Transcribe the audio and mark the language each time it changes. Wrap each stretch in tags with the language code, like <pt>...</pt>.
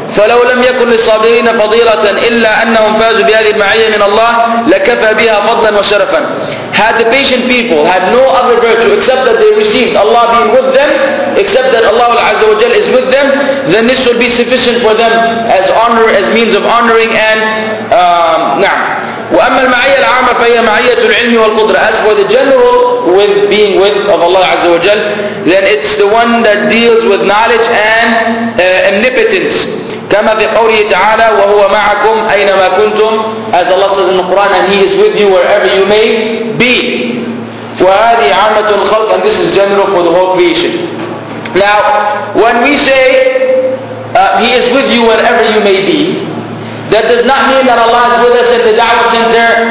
<ar>فلو لم يكن للصابرين فضيلة إلا أنهم فازوا بهذه المعية من الله لكفى بها فضلا وشرفا.</ar> <en>Had the patient people had no other virtue except that they received Allah being with them, except that Allah Azza wa Jal is with them, then this would be sufficient for them as honor, as means of honoring and نعم.</en> <ar>وأما المعية العامة فهي معية العلم والقدرة.</ar> <en>As for the general with being with of Allah Azza wa Jal, then it's the one that deals with knowledge and omnipotence.</en> <ar>كما في قوله تعالى وهو معكم أينما كنتم.</ar> <en>As Allah says in the Quran, and He is with you wherever you may be.</en> <ar>وهذه عامة الخلق.</ar> <en>And this is general for the whole creation. Now when we say He is with you wherever you may be, that does not mean that Allah is with us at the da'wah center,</en>